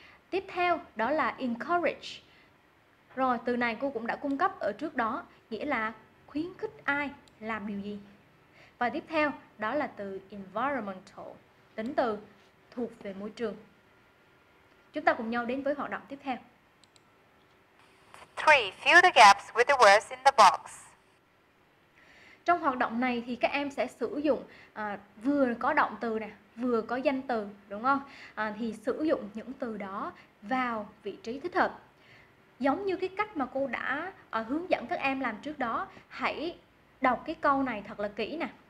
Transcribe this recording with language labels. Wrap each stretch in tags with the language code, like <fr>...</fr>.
<vi>Tiếp theo đó là encourage. Rồi từ này cô cũng đã cung cấp ở trước đó, nghĩa là khuyến khích ai làm điều gì. Và tiếp theo đó là từ environmental, tính từ thuộc về môi trường. Chúng ta cùng nhau đến với hoạt động tiếp theo.</vi> <en>3. Fill the gaps with the words in the box.</en> <vi>Trong hoạt động này thì các em sẽ sử dụng vừa có động từ nè, vừa có danh từ, đúng không? Thì sử dụng những từ đó vào vị trí thích hợp. Giống như cái cách mà cô đã hướng dẫn các em làm trước đó, hãy đọc cái câu này thật là kỹ nè.</vi>